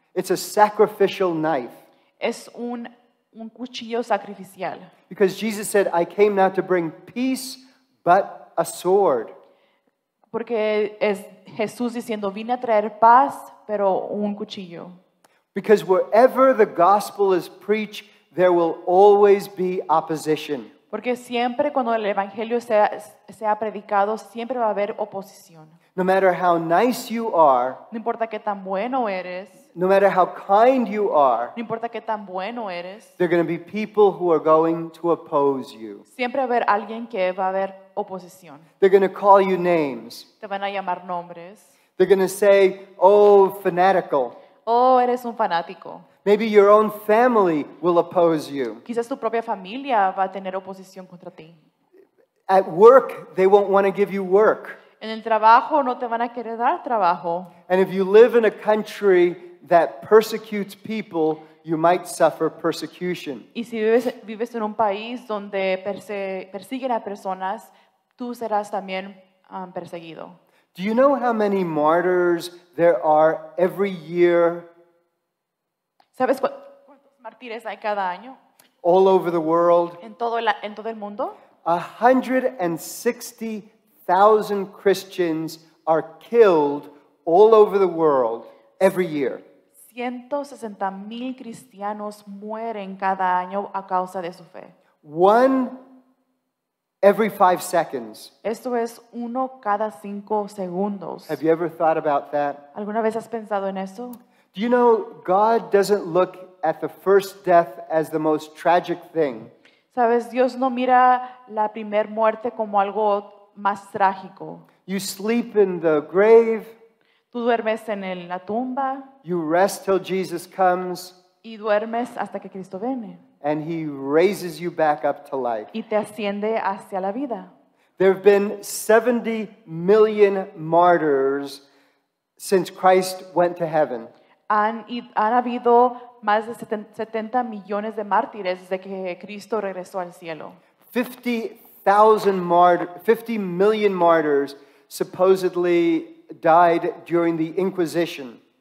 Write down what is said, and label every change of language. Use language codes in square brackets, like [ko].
[en] It's a sacrificial knife. [es] Es un cuchillo sacrificial. [en] Because Jesus said, I came not to bring peace, but a sword. [es] Porque es Jesús diciendo, vine a traer paz, pero un cuchillo. [en] Because wherever the gospel is preached, there will always be opposition. [es] Porque siempre cuando el evangelio sea predicado, siempre va a haber oposición. [en] No matter how nice you are, [es] no importa qué tan bueno eres, [en] No matter how kind you are, [es] no importa qué tan bueno eres, [en] there are going to be people who are going to oppose you. [es] Siempre va a haber alguien que va a haber oposición. [en] They're going to call you names. [es] Te van a llamar nombres. [en] They're going to say, oh, fanatical. [es] Oh, eres un fanático. [en] Maybe your own family will oppose you. [es] Quizás tu propia familia va a tener oposición contra ti. [en] At work, they won't want to give you work. [es] En el trabajo no te van a querer dar trabajo. [en] And if you live in a country that persecutes people, you might suffer persecution. [es] Y si vives en un país donde persiguen a personas, tú serás también perseguido. [en] Do you know how many martyrs there are every year? [es] ¿Sabes cuántos mártires hay cada año? [en] All over the world. [es] En todo el mundo. [en] 160,000 Christians are killed all over the world every year. [es] 160,000 cristianos mueren cada año a causa de su fe. [en] One every 5 seconds. [es] Esto es uno cada cinco segundos. [en] Have you ever thought about that? [es] ¿Alguna vez has pensado en eso? [en] Do you know God doesn't look at the first death as the most tragic thing? [es] Sabes, Dios no mira la primer muerte como algo más trágico. [en] You sleep in the grave. [es] Tú duermes en la tumba. [en] You rest till Jesus comes. [es] Y duermes hasta que Cristo viene. [en] And he raises you back up to life. [es] Y te asciende hacia la vida. [en] There have been 70 million martyrs since Christ went to heaven. [es] Han habido más de 70 millones de mártires desde que Cristo regresó al cielo. [en] 50 million martyrs supposedly died during the Inquisition.